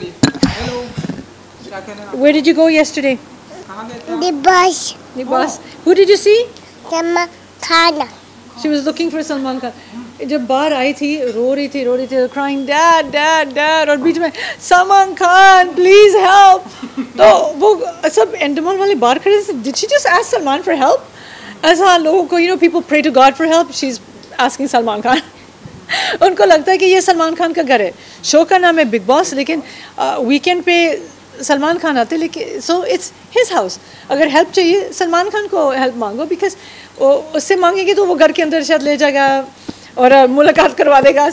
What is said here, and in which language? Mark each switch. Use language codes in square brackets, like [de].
[en] Where did you go yesterday? The bus. Who did you see? Salman Khan. She was looking for Salman Khan. [ur] جب باہر آئی تھی رو رہی تھی [en] crying dad, [ur] اور بیچ میں [en] Salman Khan please help. [ur] تو وہ سب انڈمان والے باہر کھڑے تھے. [en] Did she just ask Salman for help? [ur] ایسا لوگوں کو, [en] you know, people pray to God for help, she's asking Salman Khan. [ur] ان کو لگتا ہے کہ یہ سلمان خان کا گھر ہے. شو کا نام ہے بگ باس, لیکن ویکینڈ پہ سلمان خان آتے, لیکن [en] So it's his house. [ur] اگر ہیلپ چاہیے سلمان خان کو ہیلپ مانگو, بیکاز اس سے مانگیں گے تو وہ گھر کے اندر شاید لے جائے گا اور ملاقات کروا دے گا.